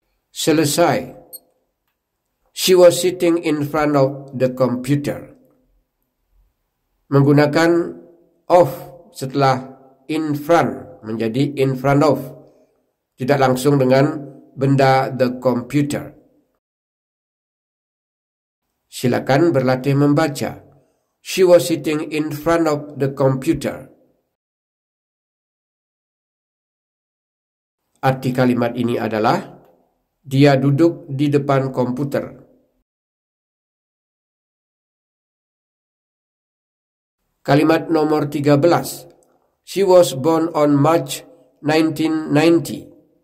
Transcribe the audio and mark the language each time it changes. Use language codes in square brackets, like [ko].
[id] Selesai. [en] She was sitting in front of the computer. [id] Menggunakan of setelah in front menjadi in front of. Tidak langsung dengan benda the computer. Silakan berlatih membaca. [en] She was sitting in front of the computer. [id] Arti kalimat ini adalah, dia duduk di depan komputer. Kalimat nomor 13. [en] She was born on March 1990.